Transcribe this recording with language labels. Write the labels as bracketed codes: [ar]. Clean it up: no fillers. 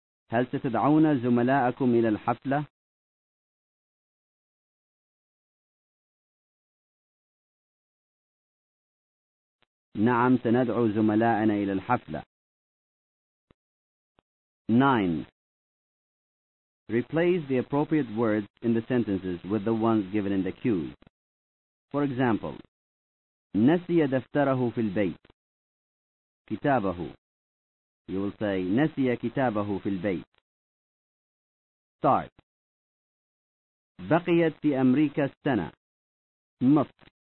[ar] هل ستدعون زملاءكم إلى الحفلة؟ نعم سندعو زملائنا إلى الحفلة. [en] 9. Replace the appropriate words in the sentences with the ones given in the cues. For example, [ar] نسي دفتره في البيت. كتابه. [en] You will say, [ar] نسي كتابه في البيت. [en] Start. [ar] بقيت في أمريكا سنة. مصر.